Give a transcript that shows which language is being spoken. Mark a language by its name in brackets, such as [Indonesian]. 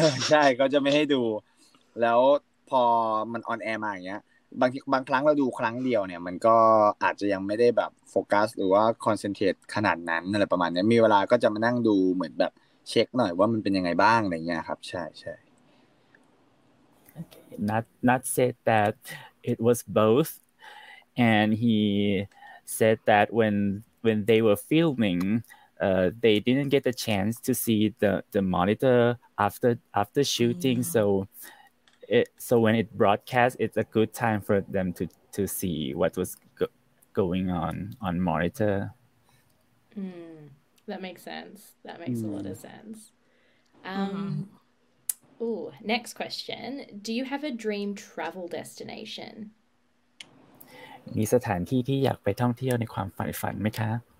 [Thai] ใช่ก็จะไม่ให้ดูแล้วพอมันออนแอร์มาอย่างเงี้ยบางครั้งเราดูครั้งเดียวเนี่ยมันก็อาจจะยังไม่ได้แบบโฟกัสหรือว่าคอนเซนเทรตขนาดนั้นอะไรประมาณนี้มีเวลาก็จะมานั่งดูเหมือนแบบเช็คหน่อยว่ามันเป็นยังไงบ้างอะไรเงี้ยครับใช่ [English] Nut said that it was both, and he said that when they were filming, they didn't get the chance to see the monitor after shooting. Mm-hmm. So when it broadcast, it's a good time for them to see what was going on monitor. That makes a lot of sense. Ooh, next question. Do you have a dream travel destination? [Thai] มีสถานที่ที่อยากไปท่องเที่ยวในความฝันไหมคะ